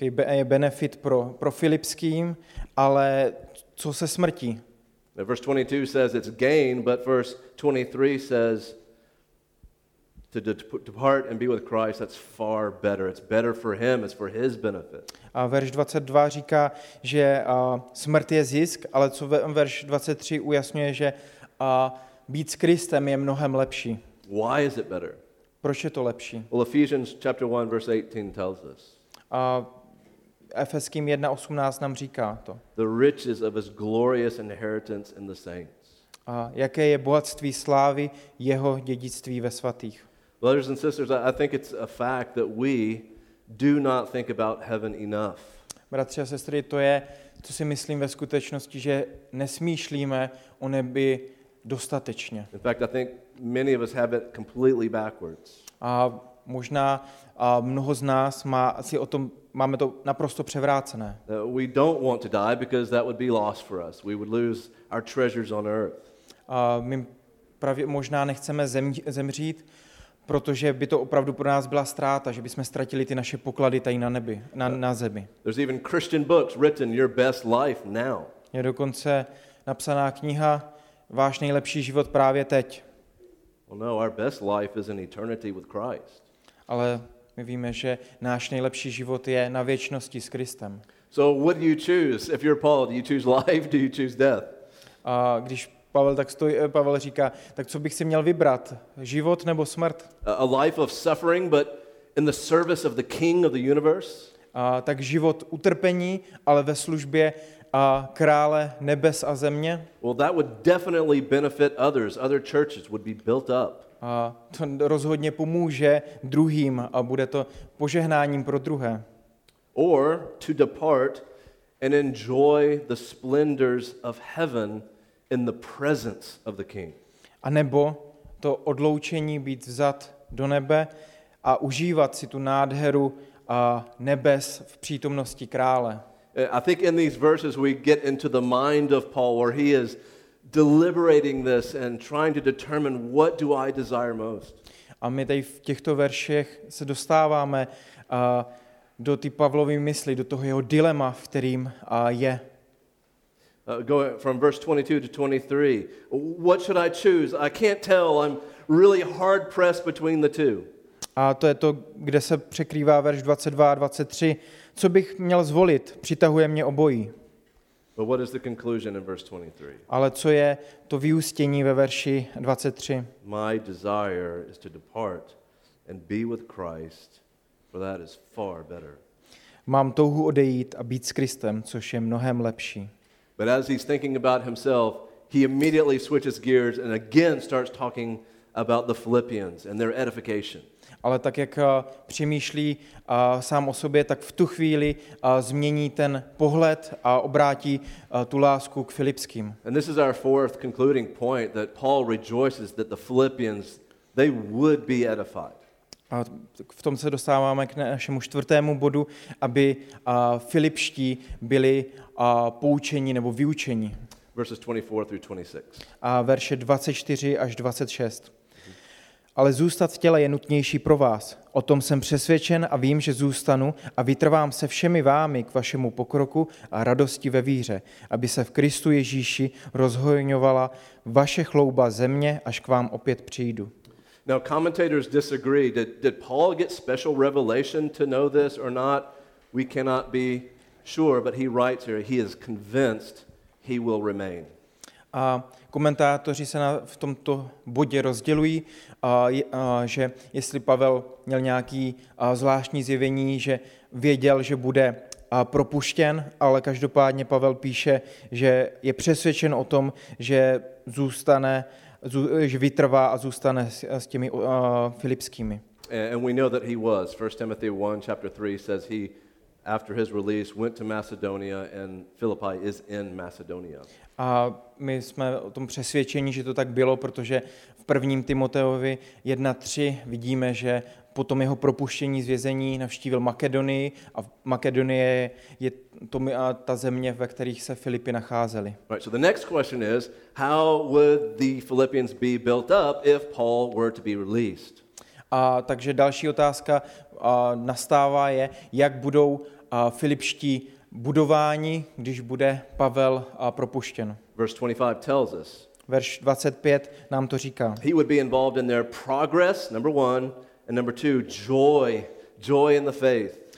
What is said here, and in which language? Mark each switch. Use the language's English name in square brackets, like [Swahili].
[Czech] Je benefit pro Filipským, ale co se smrtí? [English] Now verse 22 says it's gain, but verse 23 says to depart and be with Christ, that's far better. It's better for him, it's for his benefit. [Czech] A verš 22 říká, že smrt je zisk, ale co verš 23 ujasňuje, že být s Kristem je mnohem lepší. [English] Why is it better? [Czech] Proč je to lepší? [English] Well, Ephesians chapter 1 verse 18 tells us. [Czech] Efeským 1:18 nám říká to. [English] The riches of his glorious inheritance in the saints. [Czech] A jaké je bohatství slávy jeho dědictví ve svatých? [English] Brothers and sisters, I think it's a fact that we do not think about heaven enough. [Czech] Bratři a sestry, to je, co si myslím ve skutečnosti, že nesmýšlíme o nebi dostatečně. [English] In fact, I think many of us have it completely backwards. [Czech] A možná mnoho z nás máme to naprosto převrácené. [English] We don't want to die because that would be lost for us. We would lose our treasures on earth. [Czech] My právě možná nechceme zemřít, Protože by to opravdu pro nás byla ztráta, že bychom ztratili ty naše poklady tady na zemi. [English] There's even Christian books written, your best life now. [Czech] Je dokonce napsaná kniha Váš nejlepší život právě teď. [English] Well, no, our best life is an eternity with Christ. [Czech] Ale my víme, že náš nejlepší život je na věčnosti s Kristem. [English] So what do you choose? If you're Paul, do you choose life, do you choose death? [Czech] A když Pavel tak stojí, Pavel říká, tak co bych si měl vybrat? Život nebo smrt? [English] A life of suffering, but in the service of the King of the universe? [Czech] A tak život utrpení, ale ve službě a krále nebes a země? [English] Well, that would definitely benefit others. Other churches would be built up. [Czech] A to rozhodně pomůže druhým a bude to požehnáním pro druhé. [English] Or to depart and enjoy the splendors of heaven in the presence of the King. [Czech] A nebo to odloučení být vzat do nebe a užívat si tu nádheru a nebes v přítomnosti krále. [English] I think in these verses we get into the mind of Paul where he is deliberating this and trying to determine what do I desire most. [Czech] A my tady v těchto verších se dostáváme do ty Pavlovy mysli, do toho jeho dilema, v kterým je. [English] Going from verse 22 to 23. What should I choose? I can't tell. I'm really hard pressed between the two. [Czech] A to je to, kde se překrývá verš 22 a 23. Co bych měl zvolit? Přitahuje mě obojí. [English] But what is the conclusion in verse 23? [Czech] Ale co je to vyústění ve verši 23? [English] My desire is to depart and be with Christ, for that is far better. [Czech] Mám touhu odejít a být s Kristem, což je mnohem lepší. [English] But as he's thinking about himself, he immediately switches gears and again starts talking about the Philippians and their edification. [Czech] Ale tak, jak přemýšlí sám o sobě, tak v tu chvíli změní ten pohled a obrátí tu lásku k Filipským. [English] And this is our fourth concluding point, that Paul rejoices that the Philippians, they would be edified. [Czech] A v tom se dostáváme k našemu čtvrtému bodu, aby filipští byli poučeni nebo vyučeni. [English] Verses 24 through 26. [Czech] A verše 24 až 26. Ale zůstat v těle je nutnější pro vás. O tom jsem přesvědčen a vím, že zůstanu a vytrvám se všemi vámi k vašemu pokroku a radosti ve víře, aby se v Kristu Ježíši rozhojňovala vaše chlouba země, až k vám opět přijdu. [English] Now commentators disagree. Did Paul get special revelation to know this or not? We cannot be sure, but he writes here, he is convinced he will remain. [Czech] A komentátoři se v tomto bodě rozdělují, že jestli Pavel měl nějaké zvláštní zjevení, že věděl, že bude propuštěn, ale každopádně Pavel píše, že je přesvědčen o tom, že zůstane, že vytrvá a zůstane s těmi filipskými. [English] And we know that he was. 1 Timothy 1, chapter 3 says he, after his release, went to Macedonia and Philippi is in Macedonia. [Czech] A my jsme o tom přesvědčeni, že to tak bylo, protože v 1. Timoteovi 1.3 vidíme, že po tom jeho propuštění z vězení navštívil Makedonii a Makedonie je to ta země, ve kterých se Filipy nacházeli. [English] Right, so the next question is, how would the Philippians be built up if Paul were to be released? [Czech] A takže další otázka nastává je, jak budou filipští budování, když bude Pavel propuštěn. Verse 25 tells us. Verš 25 nám to říká. [English] He would be involved in their progress, number one, and number two, joy, joy in the faith.